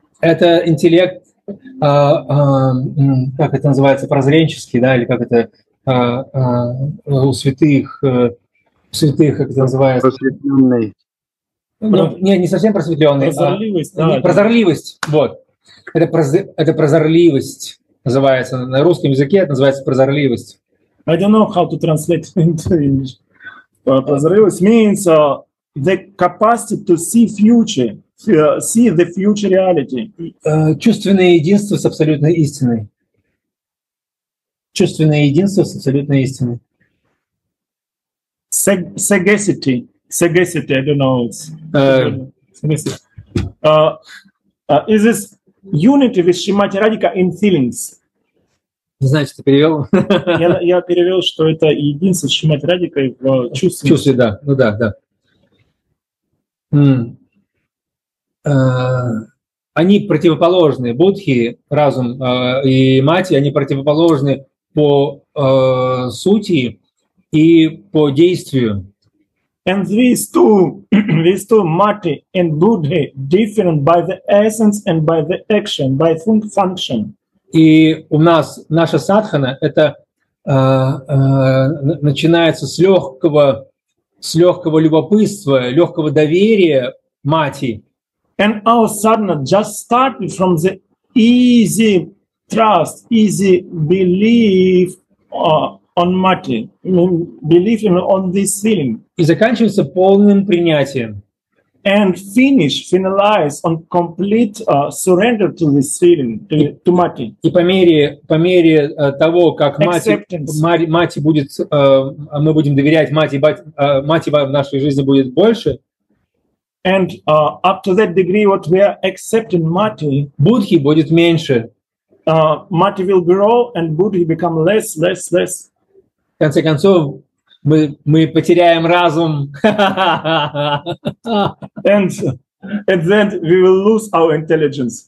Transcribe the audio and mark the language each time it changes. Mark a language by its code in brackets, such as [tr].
[ru] Это интеллект, как это называется, прозренческий, да, или как это у святых, как это называется? Просветленный. Не совсем просветленный. Прозорливость. Вот. Это прозорливость называется. На русском языке это называется прозорливость. [en] I don't know how to translate into English. Прозорливость means the capacity to see future. See the future reality. [ru] Чувственное единство с абсолютной истиной. Чувственное единство с абсолютной истиной. [en] Sagacity. Sagacity, I don't know. Is this unity with Shrimati Radhika in feelings? [ru] Не знаю, что ты перевел. Я перевел, что это единство с Шримати Радикой в чувстве. Чувстве, да. Ну да, да. Они противоположны, Будхи, разум и мати, они противоположны по сути и по действию. [en] And these two mati and Buddhi different by the essence and by the action, by function. [ru] И у нас наша садхана это начинается с легкого любопытства, легкого доверия мати. [en] And our sadhana just started from the easy trust, easy belief on mati, belief in on this feeling. [ru] И заканчивается полным принятием. [en] And finalize on complete surrender to this feeling, to mati. [ru] И по мере того, как мати будет, мы будем доверять мати, мати в нашей жизни будет больше. [en] And up to that degree, what we are accepting mati, [ru] Будхи будет меньше. [en] Mati will grow and Будхи become less. [ru] В конце концов, мы потеряем разум. [en] And at the end we will lose our intelligence.